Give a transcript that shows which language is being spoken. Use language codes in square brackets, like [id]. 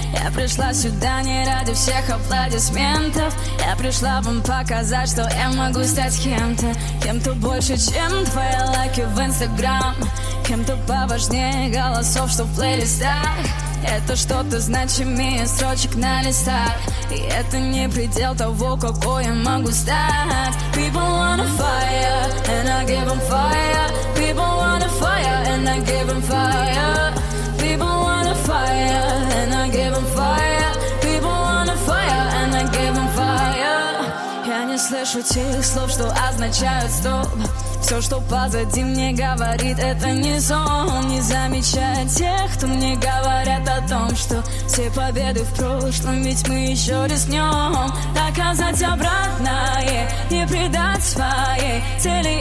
[ru] Я пришла сюда не ради всех аплодисментов, я пришла вам показать, что я могу стать кем-то. Кем-то больше, чем твои лайки в Инстаграм, кем-то поважнее голосов, что в плейлистах. Это что-то значимее строчек на листах, и это не предел того, какой я могу стать. [en] People wanna fire, and I give them fire. People wanna fire, and I give them fire. People wanna fire, and I give them fire. People wanna fire, and I give them fire. [ru] Я не слышу тех слов, что означают стоп. Все, что позади мне говорит, это не сон. Не замечаю тех, кто мне говорят о том, что все победы в прошлом, ведь мы еще рискнем. Доказать обратное, не предать своей цели.